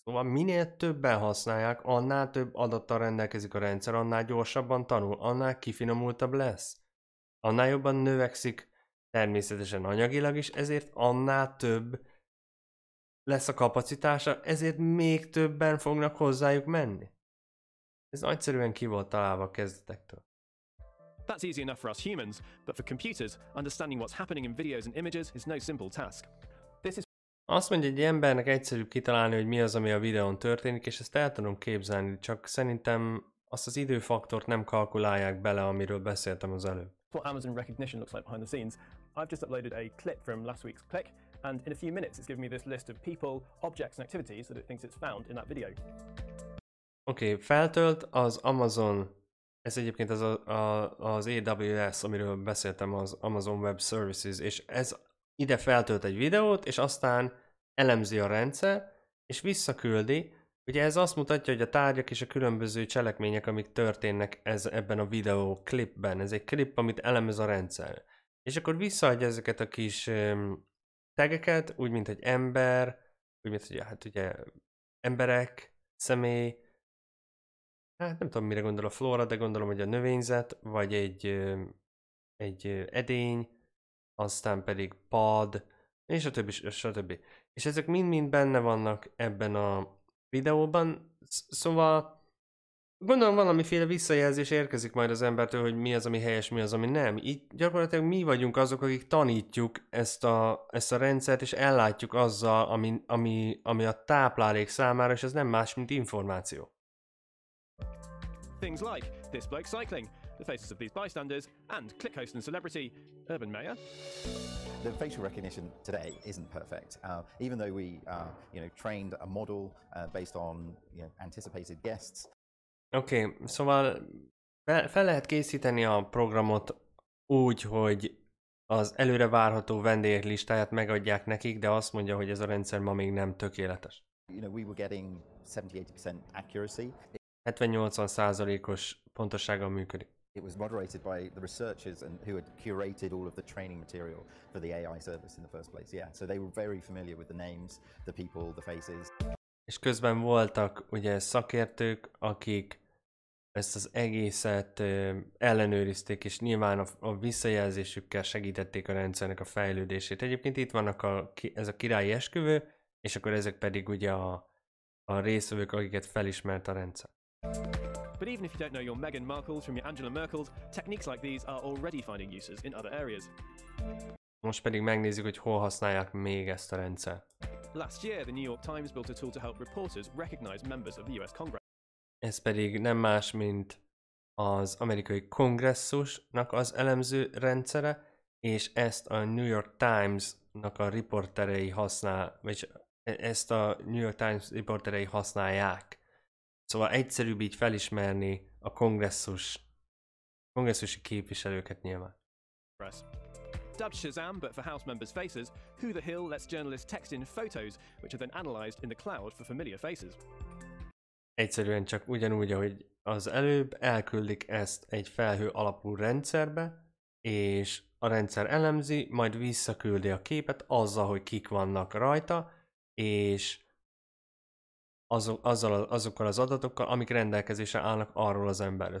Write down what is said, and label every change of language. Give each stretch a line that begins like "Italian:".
Hungarian: Szóval minél többen használják, annál több adattal rendelkezik a rendszer, annál gyorsabban tanul, annál kifinomultabb lesz. Annál jobban növekszik természetesen anyagilag is, ezért annál több lesz a kapacitása, ezért még többen fognak hozzájuk menni. Ez nagyszerűen ki volt találva a kezdetektől.
English: That's easy enough for us humans, but for computers, understanding what's happening in videos and images is no simple task.
Hungarian: Azt mondja, egy embernek egyszerűbb kitalálni, hogy mi az, ami a videón történik, és ezt el tudom képzelni, csak szerintem azt az időfaktort nem kalkulálják bele, amiről beszéltem az előbb.
English: What Amazon recognition looks like behind the scenes. I've just uploaded a clip from last week's click, and in a few minutes it's given me this list of people, objects and activities that it thinks it's found in that video.
Hungarian: Okay, feltölt az Amazon. Ez egyébként az AWS, amiről beszéltem, az Amazon Web Services, és ez ide feltölt egy videót, és aztán elemzi a rendszer, és visszaküldi. Ugye ez azt mutatja, hogy a tárgyak és a különböző cselekmények, amik történnek ebben a videó klipben. Ez egy klip, amit elemez a rendszer. És akkor visszaadja ezeket a kis tegeket, úgy, mint egy ember, úgy, mint ugye, hát ugye emberek, személy, hát nem tudom, mire gondol a flóra, de gondolom, hogy a növényzet, vagy egy edény, aztán pedig pad, és a többi, és a többi. És ezek mind-mind benne vannak ebben a videóban, szóval gondolom valamiféle visszajelzés érkezik majd az embertől, hogy mi az, ami helyes, mi az, ami nem. Így gyakorlatilag mi vagyunk azok, akik tanítjuk ezt a rendszert, és ellátjuk azzal, ami a táplálék számára, és ez nem más, mint információ.
English: Things like this bloke cycling, the faces of these bystanders, and click host and celebrity, Urban Meyer. The facial recognition today isn't perfect. Even though we trained a model based on anticipated guests.
Hungarian: Okay, szóval fel lehet készíteni a programot úgy, hogy az előre várható vendégek listáját megadják nekik, de azt mondja, hogy ez a rendszer ma még nem tökéletes.
English: You know, we were getting 70-80% accuracy.
Hungarian: 70-80%-os pontossággal működik.
English: It was moderated by the researchers and who had curated all of the training material for the AI service in the first place. Yeah, so they were very familiar with the names, the people, the faces.
Hungarian: És közben voltak ugye szakértők, akik ezt az egészet ellenőrizték, és nyilván a visszajelzésükkel segítették a rendszernek a fejlődését. Egyébként itt vannak ez a királyi esküvő, és akkor ezek pedig ugye a részvevők, akiket felismert a rendszer.
English: But even if you don't know your Meghan Markles from your Angela Merkels, techniques like these are already finding uses in other areas.
Hungarian: Most pedig megnézzük, hogy hol használják még ezt a rendszer.
English: Last year, the New York Times built a tool to help reporters recognize members of the US Congress.
Hungarian: Ez pedig nem más, mint az amerikai kongresszusnak az elemző rendszere, és ezt a New York Times-nak a riporterei használ, vagy ezt a New York Times riporterei használják. Szóval egyszerűbb így felismerni a kongresszusi képviselőket nyilván.
English: Press. Dubbed Shazam, but for House members' faces, Who the Hill lets journalists text in photos, which are then analyzed in the cloud for familiar faces.
Hungarian: Egyszerűen csak ugyanúgy, ahogy az előbb, elküldik ezt egy felhő alapú rendszerbe, és a rendszer elemzi, majd visszaküldi a képet azzal, hogy kik vannak rajta, és azokkal az adatokkal, amik rendelkezésre állnak arról az emberről.